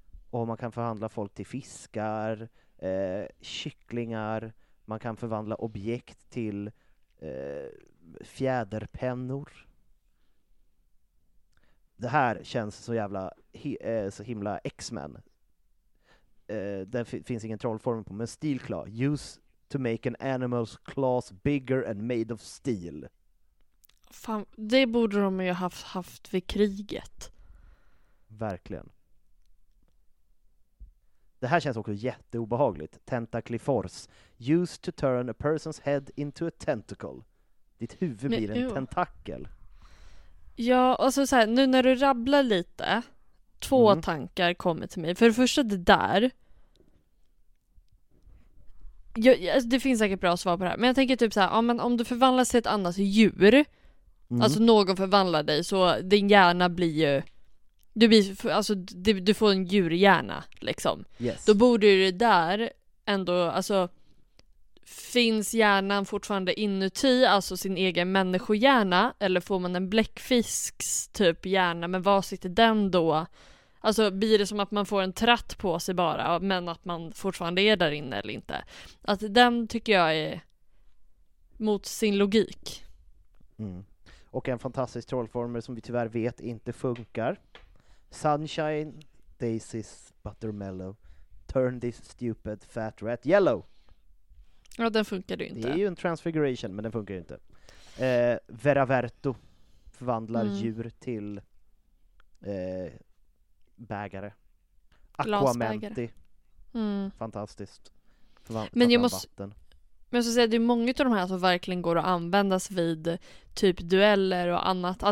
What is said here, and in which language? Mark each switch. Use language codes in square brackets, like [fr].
[sv] Och man kan förvandla folk till fiskar, kycklingar. Man kan förvandla objekt till fjäderpennor. Det här känns så jävla så himla X-Men. Det finns ingen trollform på, men stilklar. [en] Use to make an animal's claws bigger and made of steel. [sv] Fan, det borde de ju haft vid kriget. Verkligen. Det här känns också jätteobehagligt. [en] Tentacliforce. Used to turn a person's head into a tentacle. [sv] Ditt huvud blir en tentakel. Ja, och så här, nu när du rabblar lite. Två tankar kommer till mig. För det första det där. Det finns säkert bra svar på det här. Men jag tänker typ så här, ja, men om du förvandlas till ett annat djur. Mm. Alltså någon förvandlar dig så din hjärna blir ju du får en djurhjärna liksom. [en] Yes. [sv] Då borde ju det där ändå, alltså finns hjärnan fortfarande inuti, alltså sin egen människohjärna, eller får man en bläckfisks typ hjärna, men var sitter den då? Alltså blir det som att man får en tratt på sig bara, men att man fortfarande är där inne eller inte? Att den tycker jag är mot sin logik. Och en fantastisk trollformel som vi tyvärr vet inte funkar. [en] Sunshine, daisies, buttermellow. Turn this stupid fat rat yellow. [sv] Ja, den funkar ju inte. Det är ju en transfiguration, men den funkar ju inte. Veraverto förvandlar djur till bägare. Aquamenti. Fantastiskt. Men jag måste säga att det är många av de här som verkligen går att användas vid typ dueller och annat.